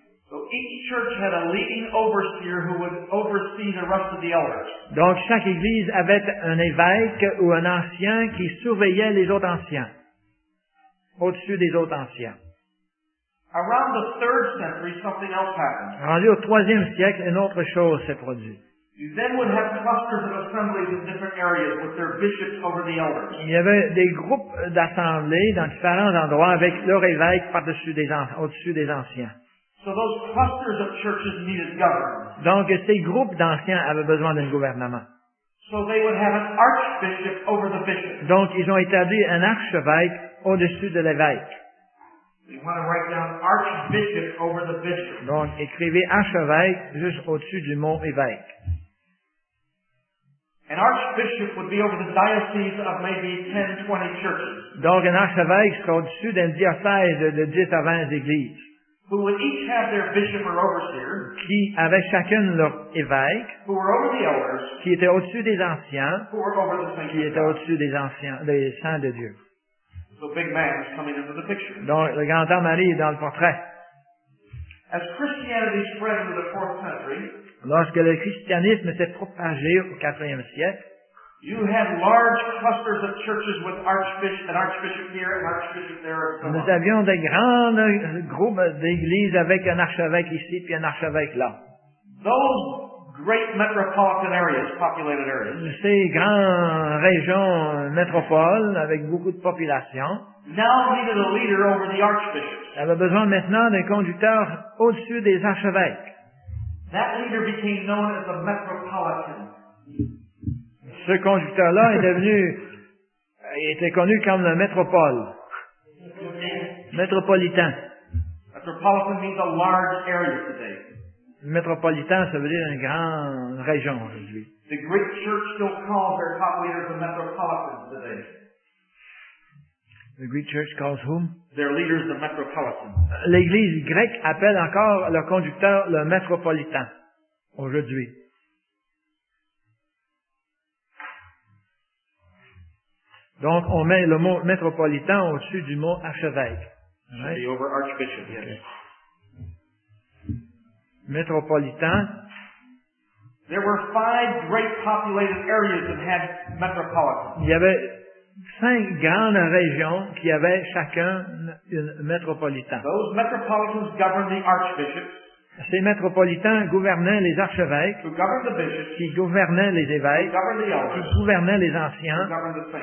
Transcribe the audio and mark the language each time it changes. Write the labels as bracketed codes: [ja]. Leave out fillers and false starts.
[en] So each church had a leading overseer who would oversee the rest of the elders. [fr] Donc chaque église avait un évêque ou un ancien qui surveillait les autres anciens. Au-dessus des autres anciens. [en] Around the third century, something else happened. [fr] Rendu au troisième siècle, une autre chose s'est produite. [en] You then would have clusters of assemblies in different areas with their bishops over the elders. [fr] Il y avait des groupes d'assemblées dans différents endroits avec leur évêque au-dessus des anciens. [en] So those clusters of churches needed government. [fr] Donc ces groupes d'anciens avaient besoin d'un gouvernement. [en] So they would have an archbishop over the bishop. [fr] Donc ils ont établi un archevêque au-dessus de l'évêque. [en] We want to write down archbishop over the bishop. [fr] Donc, écrivez archevêque juste au-dessus du mot évêque. [en] An archbishop would be over the diocese of maybe 10, 20 churches. [fr] Donc, un archevêque serait au-dessus d'un diocèse de 10 à 20 églises. [en] Who would each have their bishop or overseer. [fr] Qui avaient chacun leur évêque. [en] Who were over the elders. [fr] Qui étaient au-dessus des anciens. [en] Who were over the saints. [fr] Qui étaient au-dessus des anciens, des saints de Dieu. [en] The big man is coming into the picture. [fr] Donc, le grand homme arrive dans le portrait. [en] As Christianity spread into the fourth century, [fr] lorsque le christianisme s'est propagé au quatrième siècle, [en] you had large clusters of churches with archbishop, an archbishop here, an archbishop there. [fr] Nous avions des grands groupes d'églises avec un archevêque ici puis un archevêque là. [en] Those great metropolitan areas, populated areas. [fr] Ces grandes régions métropoles avec beaucoup de population. [en] Now needed a leader over the archbishops. [fr] Avaient besoin maintenant d'un conducteur au-dessus des archevêques. [en] That leader became known as the metropolitan. [fr] Ce conducteur-là est devenu, était connu comme le métropole. Métropolitain. [en] Metropolitan means a large area today. [fr] Métropolitain, ça veut dire une grande région aujourd'hui. [en] The Greek church still calls their top leaders the metropolitans today. The Greek church calls whom? Their leaders the metropolitans. [fr] L'église grecque appelle encore leur conducteur le métropolitain aujourd'hui. Donc, on met le mot métropolitain au-dessus du mot archevêque. [en] Right? The over archbishop, yes. Okay. [fr] Métropolitain. [en] There were 5 great populated areas that had metropolitan. [fr] Il y avait 5 grandes régions qui avaient chacun une métropolitain. [en] Those metropolitans governed the archbishops. [fr] Ces métropolitains gouvernaient les archevêques, [en] who governed the bishops, [fr] qui gouvernaient les évêques, [en] who governed the elders, [fr] qui gouvernaient les anciens, [en] who governed the saints.